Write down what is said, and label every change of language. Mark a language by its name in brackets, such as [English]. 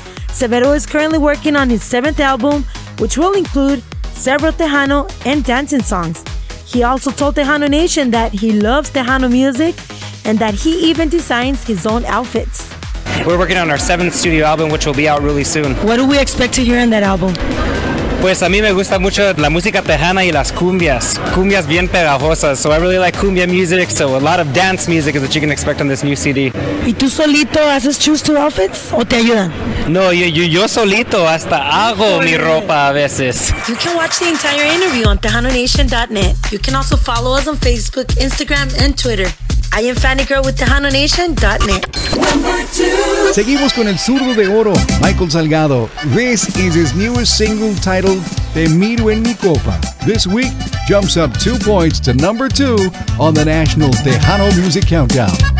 [English] Severo is currently working on his seventh album, which will include several Tejano and dancing songs. He also told Tejano Nation that he loves Tejano music and that he even designs his own outfits. We're working on our seventh studio album, which will be out really soon. What do we expect to hear in that album? [Spanish] Pues a mí me gusta mucho la música tejana y las cumbias, cumbias bien pegajosas. [English] So I really like cumbia music, so a lot of dance music is what you can expect on this new CD. [Spanish] ¿Y tú solito haces [English] choose two outfits [Spanish] o te ayudan? No, yo solito hasta hago mi ropa a veces. [English] You can watch the entire interview on TejanoNation.net. You can also follow us on Facebook, Instagram, and Twitter. I am Fanny Girl with TejanoNation.net. [Spanish] Seguimos con el zurdo de oro, Michael Salgado. [English] This is his newest single titled Te Miro en Mi Copa. This week jumps up 2 points to number 2 on the National Tejano Music Countdown.